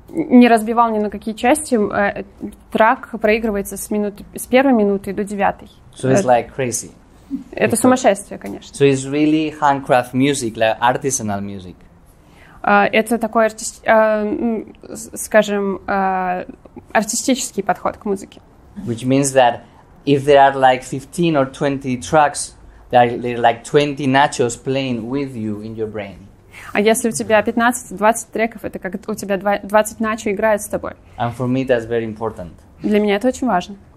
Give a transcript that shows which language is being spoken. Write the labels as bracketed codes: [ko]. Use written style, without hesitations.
[ru] не разбивал ни на какие части, трек проигрывается с первой минуты до девятой. [en] So it's like crazy. [ru] Это сумасшествие, конечно. [en] So it's really handcraft music, like artisanal music. [ru] Это такой, артистический подход к музыке. [en] Which means that if there are like 15 or 20 tracks, there are like 20 nachos playing with you in your brain. [ru] А если у тебя 15-20 треков, это как у тебя 20 начо играет с тобой. [en] And for me that's very important. [ru] Для меня это очень важно.